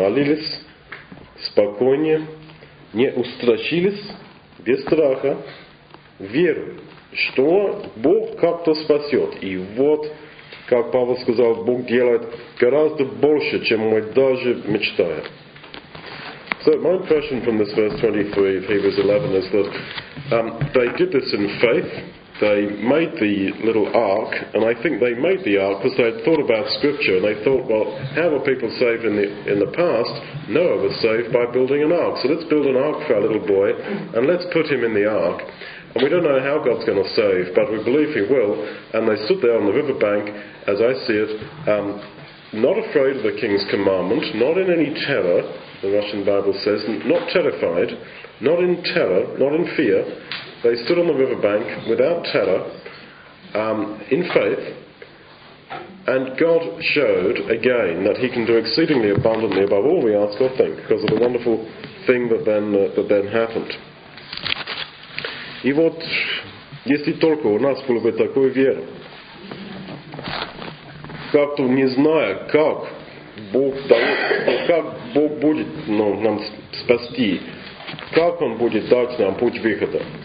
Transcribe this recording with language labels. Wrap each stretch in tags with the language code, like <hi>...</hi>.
<ru>Молились спокойнее, не устрашились, без страха, верой, что Бог как-то спасет. И вот, как Павел сказал, Бог делает гораздо больше, чем мы даже мечтаем.</ru> <en>So my impression from this verse 23 of Hebrews 11 is that they did this in faith. They made the little ark, and I think they made the ark because they had thought about Scripture, and they thought, well, how were people saved in the past? Noah was saved by building an ark. So let's build an ark for our little boy, and let's put him in the ark. And we don't know how God's going to save, but we believe he will. And they stood there on the riverbank, as I see it, not afraid of the king's commandment, not in any terror, the Russian Bible says, not terrified, not in terror, not in fear. They stood on the riverbank without terror, in faith, and God showed again that he can do exceedingly abundantly above all we ask or think, because of the wonderful thing that then happened.</en> <ru>И вот, если только у нас было бы такой веры, как-то не зная, как Бог дает, как Бог будет, ну, нам спасти, как Он будет дать нам путь выхода.</ru>